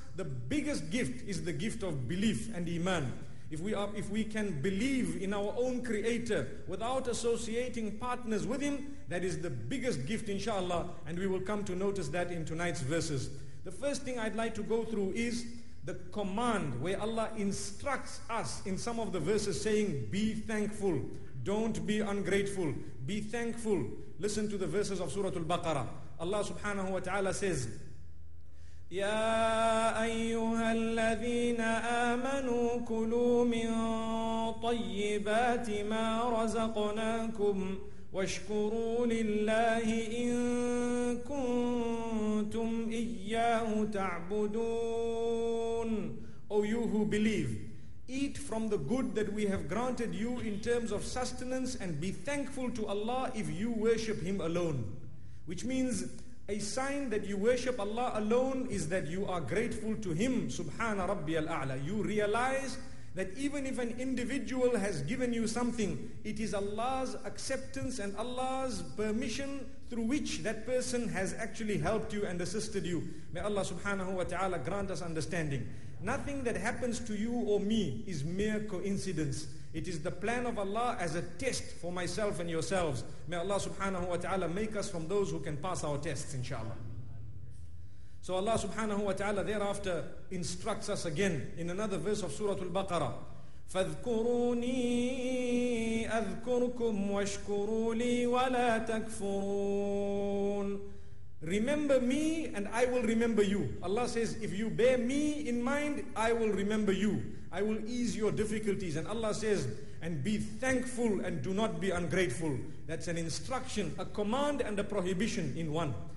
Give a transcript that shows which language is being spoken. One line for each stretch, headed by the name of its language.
English: The biggest gift is the gift of belief and iman. If we can believe in our own Creator without associating partners with Him, that is the biggest gift, inshallah, and we will come to notice that in tonight's verses. The first thing I'd like to go through is the command where Allah instructs us in some of the verses saying, be thankful, don't be ungrateful, be thankful. Listen to the verses of Surah Al-Baqarah. Allah subhanahu wa ta'ala says,
Arabic: يا أيها الذين آمنوا كلوا من طيبات ما رزقناكم واشكروا لله إن كنتم إياه تعبدون.
English: O you who believe, eat from the good that we have granted you in terms of sustenance and be thankful to Allah if you worship Him alone. Which means, a sign that you worship Allah alone is that you are grateful to Him, Subhana Rabbi al-A'la. You realize that even if an individual has given you something, it is Allah's acceptance and Allah's permission through which that person has actually helped you and assisted you. May Allah subhanahu wa ta'ala grant us understanding. Nothing that happens to you or me is mere coincidence. It is the plan of Allah as a test for myself and yourselves. May Allah subhanahu wa ta'ala make us from those who can pass our tests, inshallah. So Allah subhanahu wa ta'ala thereafter instructs us again in another verse of Surah Al-Baqarah.
Arabic: فاذكروني أذكركم واشكروا لي ولا تكفرون.
English: Remember me and I will remember you. Allah says, if you bear me in mind, I will remember you. I will ease your difficulties. And Allah says, and be thankful and do not be ungrateful. That's an instruction, a command and a prohibition in one.